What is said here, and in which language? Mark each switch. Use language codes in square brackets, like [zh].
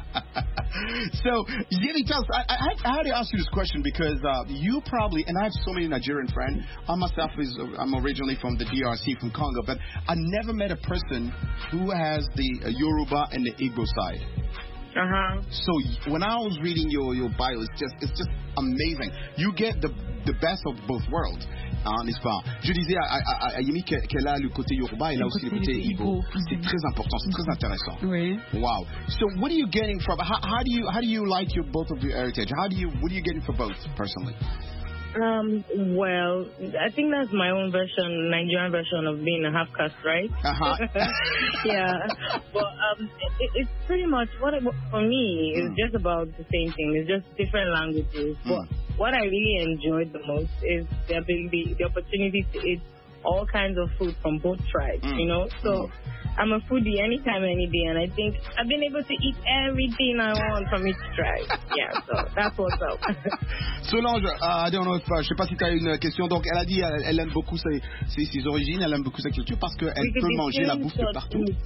[en] So Yemi, tell us. I had to ask you this question because you probably, and I have so many Nigerian friends. I myself I'm originally from the DRC, from Congo, but I never met a person who has the Yoruba and the Igbo side. So when I was reading your bio, it's just amazing. You get the best of both worlds, [fr] n'est-ce pas? Je disais à Yemi qu'elle a le côté Yoruba et là aussi le côté Igbo. C'est très important, c'est très intéressant. Oui. [en] Wow. So what are you getting from? How do you like your both of your heritage? What are you getting for both personally? Well, I think that's my own version, Nigerian version of being a half caste, right? Yeah. But it's pretty much what for me is just about the same thing. It's just different languages. But what I really enjoyed the most is the ability, the opportunity to eat all kinds of food from both tribes. You know, so. I'm a foodie anytime, any day, and I think I've been able to eat everything I want from each tribe. Yeah, so that's what's up. [fr] Solange, [en] I don't know if, [fr] je sais pas si tu as une question. Donc, elle a dit elle aime beaucoup ses origines, elle aime beaucoup sa culture parce qu'elle peut manger la bouffe de partout.